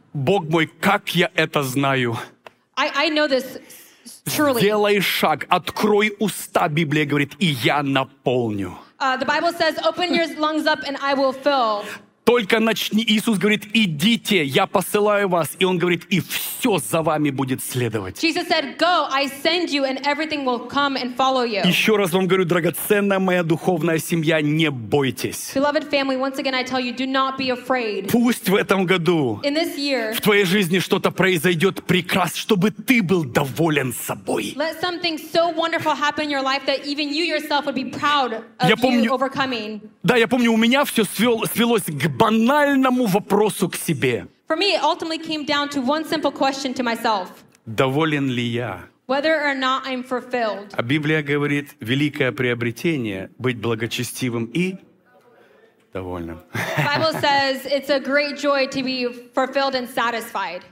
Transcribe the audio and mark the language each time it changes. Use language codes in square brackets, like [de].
[ru] Бог мой, как я это знаю. [en] I know this. Truly. [ru] Сделай шаг, открой уста, Библия говорит, и я наполню. [en] The Bible says, open your lungs up and I will fill. [ru] Только начни, Иисус говорит, идите, я посылаю вас, и Он говорит, и все за вами будет следовать. [en] Jesus said, go, I send you and everything will come and follow you. [ru] Еще раз вам говорю, драгоценная моя духовная семья, не бойтесь. [en] Beloved family, once again I tell you, do not be afraid. [ru] Пусть в этом году [en] in this year, [ru] в твоей жизни что-то произойдет прекрасное, чтобы ты был доволен собой. [en] Let something so wonderful happen in your life that even you yourself would be proud of [ru] я помню, [en] you overcoming. [ru] Да, я помню, у меня все свелось к банальному вопросу к себе. [en] For me, it ultimately came down to one simple question to myself. [ru] Доволен ли я? [en] Whether or not I'm fulfilled. [ru] А Библия говорит, великое приобретение быть благочестивым и довольным. [en] The Bible says it's a great joy to be fulfilled and satisfied.